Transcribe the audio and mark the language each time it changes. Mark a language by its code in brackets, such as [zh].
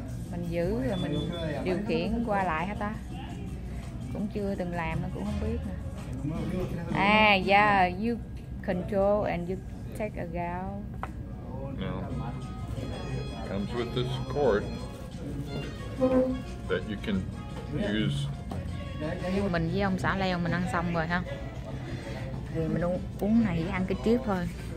[vi] Mình giữ rồi mình điều khiển qua lại hả ta? Cũng chưa từng làm nó cũng không biết nè. [en] À, yeah, you control and you take a gal. No. Comes with this cord that you can use. [vi] Mình với ông xã Leo mình ăn xong rồi ha. Thì mình uống này ăn cái trip thôi.